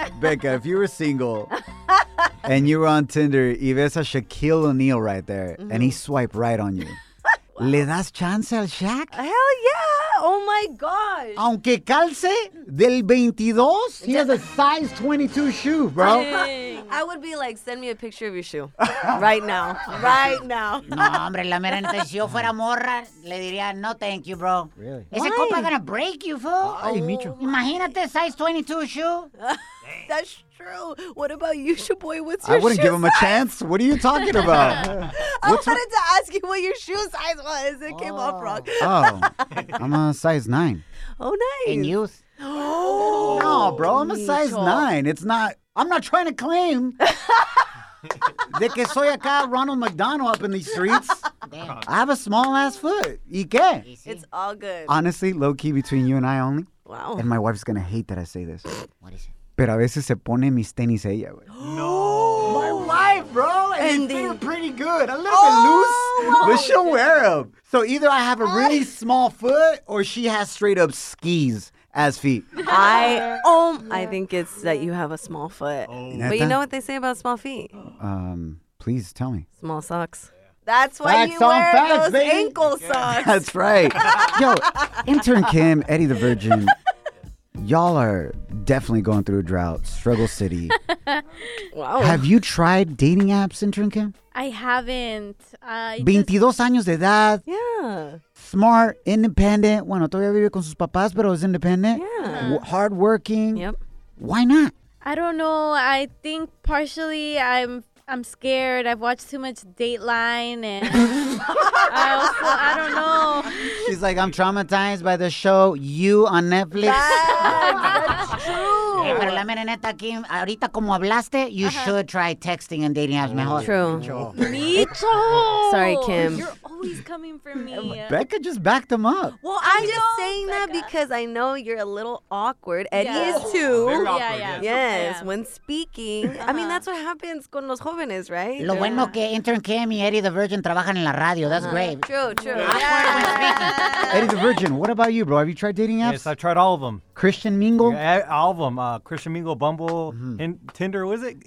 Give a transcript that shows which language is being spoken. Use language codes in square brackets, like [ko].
[en] Becca, if you were single and you were on Tinder, [es] y ves a [en] Shaquille O'Neal right there, mm-hmm. and he swiped right on you. Wow. [es] ¿Le das chance al Shaq? [en] Hell yeah. Oh, my gosh. [es] Aunque calce del 22, [en] he has a size 22 shoe, bro. Dang. I would be like, send me a picture of your shoe. Right now. [es] No, hombre, la mera neta, si yo fuera morra, le diría, no, [en] thank you, bro. Really? [es] Ese compa [en] gonna break you, fool. [es] Ay, Micho. Imagínate, [en] size 22 shoe. That's true. What about you, Shoboy? What's your shoe I wouldn't shoe give him size? A chance. What are you talking about? I wanted to ask you what your shoe size was. It came off wrong. Oh, I'm a size 9. Oh, nice. In youth. Oh. No, bro, I'm a size 9. It's not, I'm not trying to claim [es] de que soy acá [en] Ronald McDonald up in these streets. Damn. I have a small ass foot. [es] ¿Y qué? [en] It's all good. Honestly, low key between you and I only. Wow. And my wife's going to hate that I say this. What is it? [es] Pero a veces se pone mis tenis ella, güey. [en] No! My wife, bro! And they feel pretty good. A little bit loose, but she'll wear them. So either I have a really small foot or she has straight up skis as feet. I think it's that you have a small foot. Oh. But you know what they say about small feet? Please tell me. Small socks. That's why facts you wear facts, those baby. Ankle socks. That's right. Yo, intern Kim, Eddie the Virgin. Y'all are definitely going through a drought. Struggle City. Wow. Have you tried dating apps, intern Kim? I haven't. [es] 22 años de edad. [en] Yeah. Smart, independent. [es] Bueno, todavía vive con sus papás, pero es independent. [en] Yeah. Hardworking. Yep. Why not? I don't know. I think partially I'm scared. I've watched too much Dateline, and I don't know. She's like, I'm traumatized by the show You on Netflix. That's true. [es] Pero la mera neta aquí, ahorita como hablaste, [en] you should try texting and dating apps [es] mejor. [en] True. Me too. Sorry, Kim. You're always coming for me. Becca just backed him up. Well, I'm just saying Becca. That because I know you're a little awkward. Eddie is too. Very awkward, yes. Yes, when speaking. I mean, that's what happens [es] con los jóvenes, [en] right? [es] Lo bueno que intern Kim y Eddie the Virgin trabajan en la radio. [en] That's great. True. Eddie the Virgin, what about you, bro? Have you tried dating apps? Yes, I've tried all of them. Christian Mingle? Yeah, all of them. Christian Mingle, Bumble, Tinder, was it?